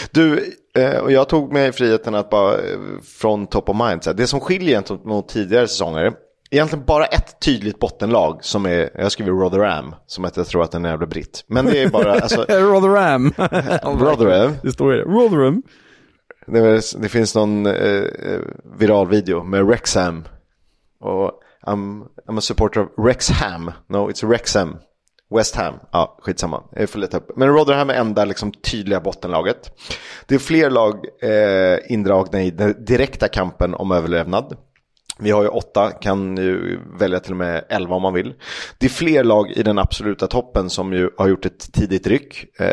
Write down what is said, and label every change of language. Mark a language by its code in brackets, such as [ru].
[sv] Du, och jag tog mig friheten att bara från [en] top of mind. [sv] Så här, det som skiljer egentligen mot tidigare säsonger. Egentligen bara ett tydligt bottenlag som är, jag skriver Rotherham, som heter, jag tror att den är jävla britt. Men det är bara... Alltså, Rotherham. Rotherham. Det står i det. Rotherham. Det finns någon viral video med Wrexham. Och [en] I'm a supporter of Wrexham. No, it's Wrexham. [sv] West Ham, ja, skitsamma. Jag får leta upp. Men Rotherham är enda liksom tydliga bottenlaget. Det är fler lag indragna i den direkta kampen om överlevnad. Vi har ju 8, kan ju välja till och med 11 om man vill. Det är fler lag i den absoluta toppen som ju har gjort ett tidigt ryck.